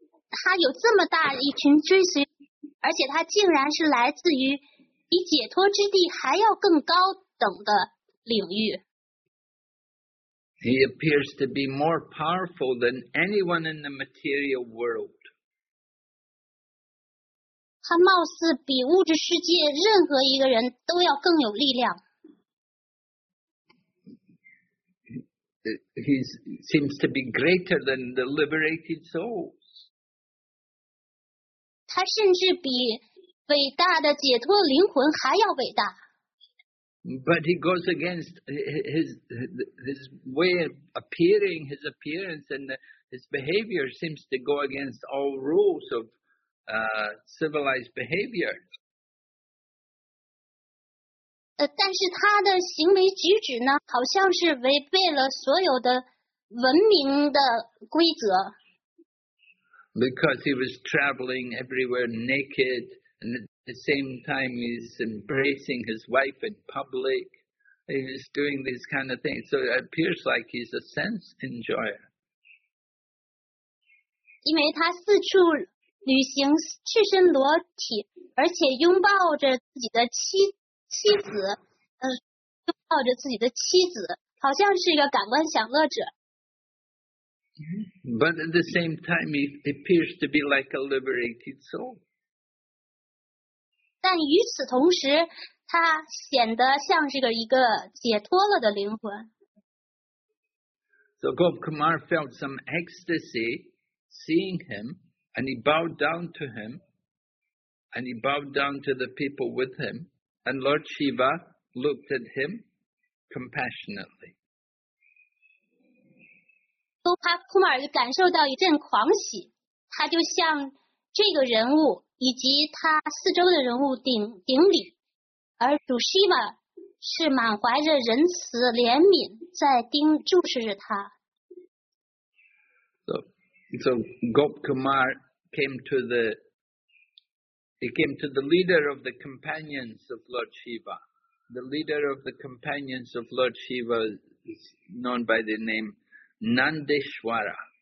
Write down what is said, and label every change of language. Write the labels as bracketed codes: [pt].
[zh] 他有这么大一群追随，而且他竟然是来自于比解脱之地还要更高等的领域。 [en] He appears to be more powerful than anyone in the material world. [zh] 他貌似比物质世界任何一个人都要更有力量。 [en] He seems to be greater than the liberated souls. [zh] 他甚至比伟大的解脱灵魂还要伟大。 [en] But he goes against his way of appearing, his appearance, and his behavior seems to go against all rules of civilized behavior. [zh] 但是他的行为举止呢，好像是违背了所有的文明的规则。 [en] Because he was traveling everywhere naked, and at the same time he's embracing his wife in public. He's doing these kind of things. So it appears like he's a sense enjoyer. [zh] 因为他四处旅行，赤身裸体，而且拥抱着自己的妻子，拥抱着自己的妻子，好像是一个感官享乐者。 [en] But at the same time, he appears to be like a liberated soul. [zh] 但与此同时，他显得像是一个解脱了的灵魂。 [en] So Gop Kumar felt some ecstasy seeing him, and he bowed down to him, and he bowed down to the people with him, and Lord Shiva looked at him compassionately. [zh] 他库马尔感受到一阵狂喜，他就向这个人物以及他四周的人物顶礼，而主西玛是满怀着仁慈怜悯在注视着他。 [en] So Gop Kumar came to the leader of the companions of Lord Shiva. The leader of the companions of Lord Shiva is known by the name. Nandeshwara.